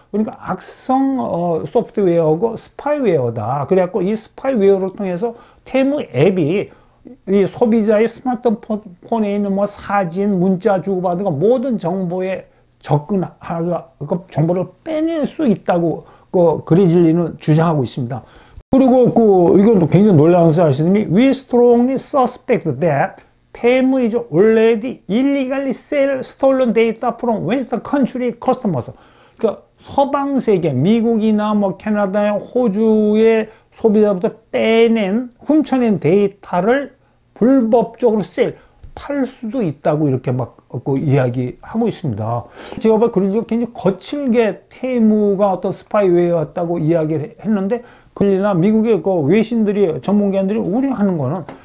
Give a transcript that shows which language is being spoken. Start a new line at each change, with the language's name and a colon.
Korean: 그러니까 악성 소프트웨어고 스파이웨어다. 그래갖고 이 스파이웨어를 통해서 테무 앱이 이 소비자의 스마트폰에 있는 뭐 사진, 문자 주고받은 거 모든 정보에 접근하고 정보를 빼낼 수 있다고 그 그리즐리는 주장하고 있습니다. 그리고 이건 굉장히 놀라운 사실이,
English: We strongly suspect that 테무 is already illegally sell stolen data from Western country customers.
Korean: 그러니까 서방 세계, 미국이나 뭐 캐나다, 호주의 소비자부터 훔쳐낸 데이터를 불법적으로 팔 수도 있다고 이렇게 막 이야기하고 있습니다. 제가 봐 그러니까 굉장히 거칠게 테무가 어떤 스파이웨어였다고 이야기를 했는데, 그러나 미국의 외신들이, 전문가들이 우려하는 거는,